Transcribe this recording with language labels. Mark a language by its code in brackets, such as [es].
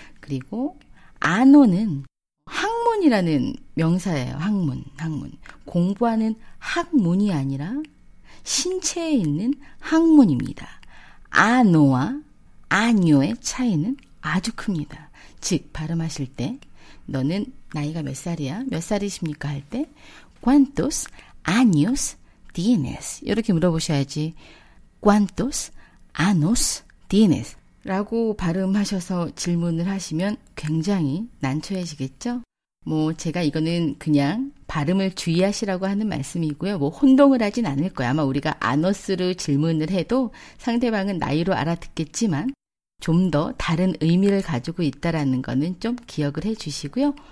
[ko] 그리고 ano는 학문이라는 명사예요. 학문, 학문. 공부하는 학문이 아니라 신체에 있는 학문입니다. 아노와 아뇨의 차이는 아주 큽니다. 즉, 발음하실 때 너는 나이가 몇 살이야? 몇 살이십니까? 할 때 [es] ¿Cuántos años tienes? [ko] 이렇게 물어보셔야지 [es] ¿Cuántos años tienes? [ko] 라고 발음하셔서 질문을 하시면 굉장히 난처해지겠죠? 뭐 제가 이거는 그냥 발음을 주의하시라고 하는 말씀이고요. 뭐 혼동을 하진 않을 거예요. 아마 우리가 아너스로 질문을 해도 상대방은 나이로 알아듣겠지만 좀 더 다른 의미를 가지고 있다라는 거는 좀 기억을 해주시고요.